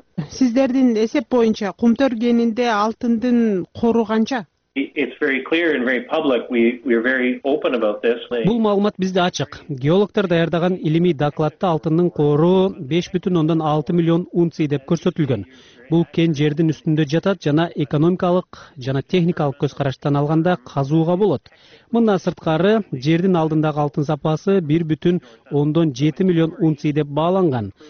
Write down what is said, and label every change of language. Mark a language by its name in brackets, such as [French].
[Kyrgyz] Сиздердин эсеп боюнча кумтөр кенинде алтындын кору канча? [English] It's very clear and very public. We're very open about this. [Kyrgyz] Бул маалымат бизде ачык. Геологтор даярдаган илимий докладта алтындын кору 5.6 миллион унций деп көрсөтүлгөн. Бул кен жердин үстүндө жатат жана экономикалык жана техникалык көз караштан алганда казууга болот. Мындан сырткары жердин алдындагы алтын запасы 1.7 миллион унций деп бааланган.